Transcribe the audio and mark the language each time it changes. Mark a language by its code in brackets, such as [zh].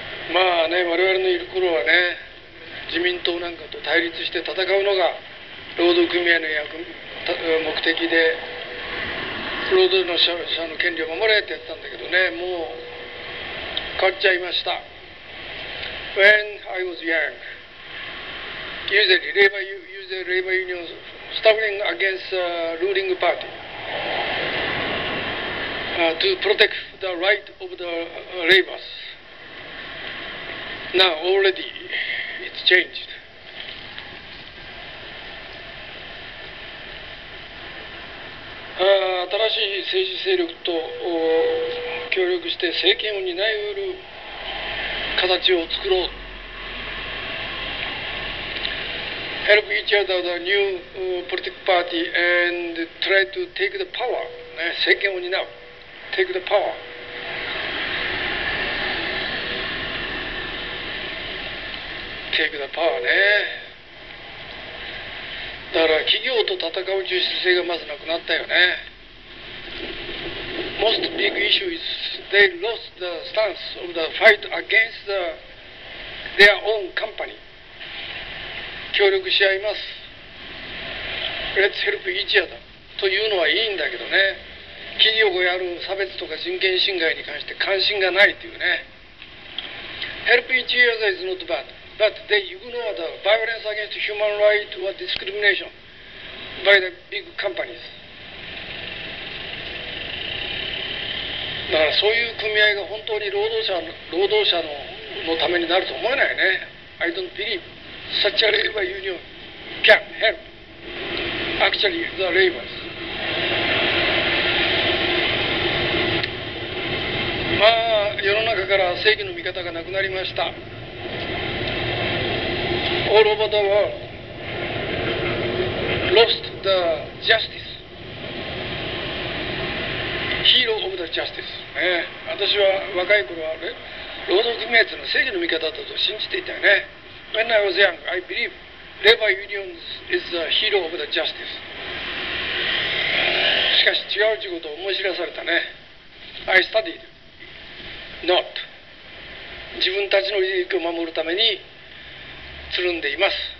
[ja] まあね、我々のいる頃はね、自民党なんかと対立して戦うのが労働組合の目的で、労働の者の権利を守れってやってたんだけどね、もう変わっちゃいました。 [en] When I was young, usually labor unions struggling against the ruling party to protect the right of the laborers. Now already it's changed. [ja] 新しい政治勢力と協力して政権を担い得る形を作ろう。 [en] Help each other the new political party and try to take the power、ね、 [ja] 政権を担う。 [en] Take the power。 Take the power ね。 [ja] だから企業と戦う重視性がまずなくなったよね。 [en] Most big issue isThey lost the stance of the fight against their own company. [ja] 協力し合います。 [en] Let's help each other. [ja] というのはいいんだけどね。企業がやる差別とか人権侵害に関して関心がないというね。 [en] Help each other is not bad. But they ignore the violence against human rights or discrimination by the big companies. [ja] だからそういう組合が本当に労働者のためになると思えないね。 [en] I don't believe such a labor union can help actually the laborers. [ja] まあ、世の中から正義の味方がなくなりました。 [en] All over the world lost the justice. Hero of the justice.、 [ja] 私は若い頃は労働組合の正義の味方だったと信じていたよね。 [en] When I was young, I believe labor unions is the hero of the justice. [ja] しかし違うということを思い知らされたね。 [en] I studied. Not. [ja] 自分たちの利益を守るためにつるんでいます。